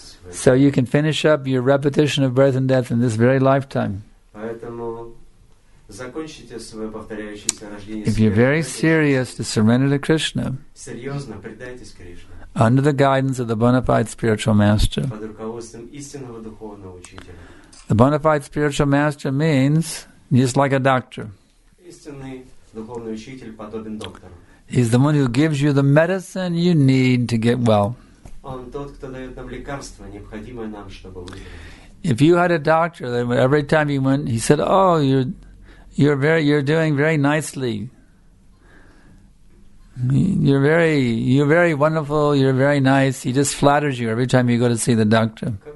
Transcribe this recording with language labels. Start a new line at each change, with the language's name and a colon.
English: So you can finish up your repetition of birth and death in this very lifetime.
Russian: Закончите свое повторяющееся рождение.
English: If you're very serious to surrender to Krishna,
Russian: серьезно предайтесь Кришне.
English: Under the guidance of the bona fide spiritual master.
Russian: Под руководством истинного духовного учителя.
English: The bona fide spiritual master means just like a doctor.
Russian: Истинный духовный учитель подобен доктору.
English: He's the one who gives you the medicine you need to get well.
Russian: Он тот, кто дает нам лекарство, необходимое нам, чтобы выздороветь.
English: If you had a doctor, then every time you went, he said, "Oh, You're doing very nicely. You're very wonderful. You're very nice." He just flatters you every time you go to see the doctor.